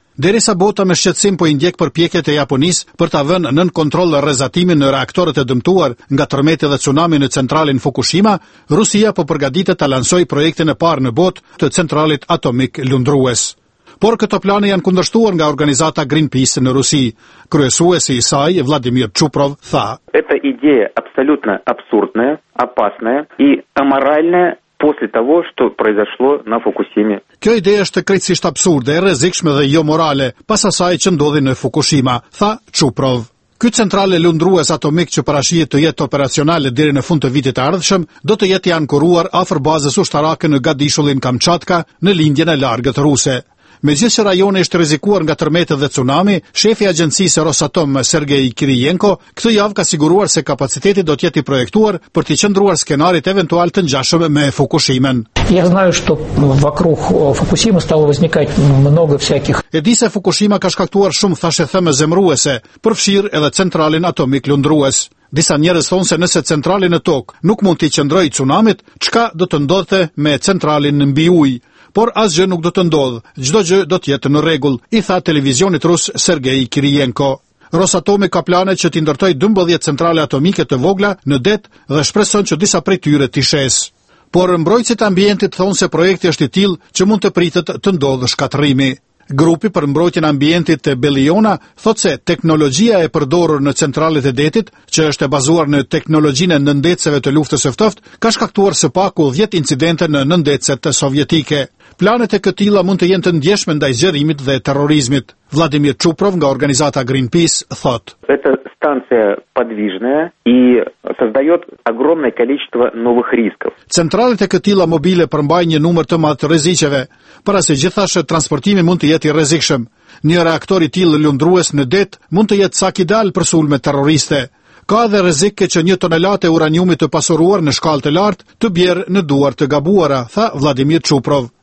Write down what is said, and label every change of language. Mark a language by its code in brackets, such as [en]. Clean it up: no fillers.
[sq] Derisa bota me shqetësim po i ndjek përpjekjet e Japonisë për ta vënë nën kontroll rrezatimin në reaktorët e dëmtuar nga tërmeti dhe tsunami në centralin Fukushima, Rusia po përgatitet ta lansojë projektin e parë në botë të centralit atomik lundrues. Por këto plane janë kundërshtuar nga organizata Greenpeace në Rusi. Kryesuesi i saj, Vladimir Čuprov, tha: [ru] "Эта идея абсолютно абсурдная, опасная и аморальная". После того, что произошло на Фукусиме. [sq] Kjo ide është krejtësisht absurde, e rrezikshme dhe jo morale, pas asaj që ndodhi në Fukushima, tha Čuprov. Ky centrale lundrues atomik që parashihet të jetë operacionale deri në fund të vitit të ardhshëm, do të jetë ankuruar afër bazës ushtarake në Gadishullin Kamçatka, në lindjen e largët ruse. Megjithëse rajoni është rrezikuar nga tërmetet dhe tsunami, shefi i agjencisë Rosatom, Sergei Kirienko, këtë javë ka siguruar se kapaciteti do të jetë i projektuar për të qëndruar skenarit eventual të ngjashëm me Fukushimën. [ru] Я знаю, что вокруг Фукусимы стало возникать много всяких. [sq] Edi se Fukushima ka shkaktuar shumë thashë thëmë zemruese, përfshir edhe centralin atomik lundrues. Disa njerëz thonë se nëse centralin në tokë nuk mund të qëndrojë tsunamit, çka do të ndodhte me centralin në mbi ujë? Por asgjë nuk do të ndodhë, çdo gjë do të jetë në rregull, i tha televizionit rus Sergei Kirienko. Rosatomi ka plane që t'i ndërtoj 12 centrale atomike të vogla në det dhe shpreson që disa prej tyre t'i shes. Por mbrojtësit ambientit thonë se projekti është i tillë që mund të pritet të ndodhë shkatrimi. Grupi për mbrojtjen e ambientit të Belliona thotë se teknologjia e përdorur në centralet e detit, që është e bazuar në teknologjinë e nëndecëve të luftës së ftoftë, ka shkaktuar së paku 10 incidente në nëndecët sovjetike. Planet e këtilla mund të jenë të ndjeshme ndaj zgjerimit dhe terrorizmit. Vladimir Čuprov nga organizata Greenpeace thotë: [ru] "Эта станция подвижная и создаёт огромное количество новых рисков". [sq] Centralet e këtilla mobile përmbajnë një numër të madh rreziqeve, para se gjithashtu transportimi mund të jetë i rrezikshëm. Një reaktor i tillë lundrues në det mund të jetë sak ideal për sulme terroriste. Ka edhe rrezik që një tonelatë uraniumi të pasuruar në shkallë të lartë të bjerë në duar të gabuara, tha Vladimir Čuprov.